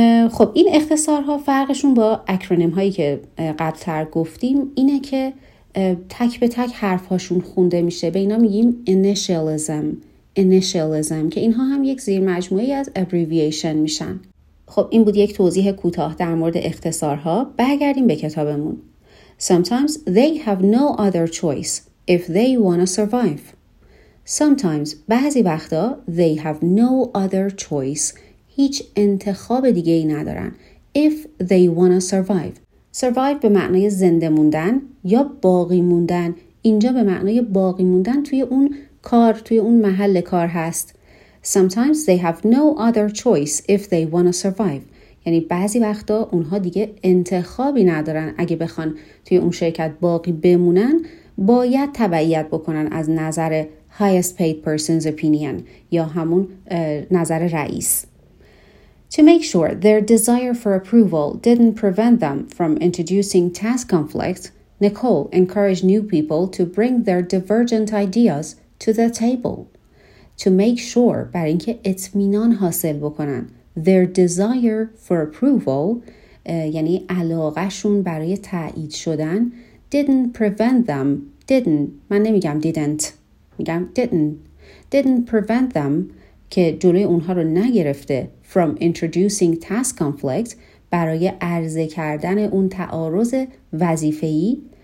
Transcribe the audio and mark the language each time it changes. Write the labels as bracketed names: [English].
[Persian] خب این اختصارها فرقشون با اکرونیم هایی که قبل تر گفتیم اینه که تک به تک حرفهاشون خونده میشه. به اینا میگیم initialism، که اینها هم یک زیر مجموعه از abbreviation میشن. خب این بود یک توضیح کوتاه در مورد اختصارها. برگردیم به کتابمون. [English] Sometimes they have no other choice if they want to survive. Sometimes [Persian] بعضی وقتا [English] they have no other choice، [Persian] هیچ انتخاب دیگه ای ندارن. [English] If they wanna survive. [Persian] Survive به معنای زنده موندن یا باقی موندن. اینجا به معنای باقی موندن توی اون کار، توی اون محل کار هست. [English] Sometimes they have no other choice if they wanna survive. [Persian] یعنی بعضی وقتا اونها دیگه انتخابی ندارن. اگه بخوان توی اون شرکت باقی بمونن، باید تبعیت بکنن از نظر [English] highest paid person's opinion، [Persian] یا همون نظر رئیس. [English] To make sure their desire for approval didn't prevent them from introducing task conflicts, Nicole encouraged new people to bring their divergent ideas to the table. To make sure [Persian] برای اینکه اطمینان حاصل بکنن، [English] their desire for approval [Persian] یعنی علاقهشون برای تایید شدن، [English] didn't prevent them [Persian] که جلوی اونها رو نگرفته، [English] from introducing task conflict [Persian] برای عرضه کردن اون تعارض وظیفه‌ای.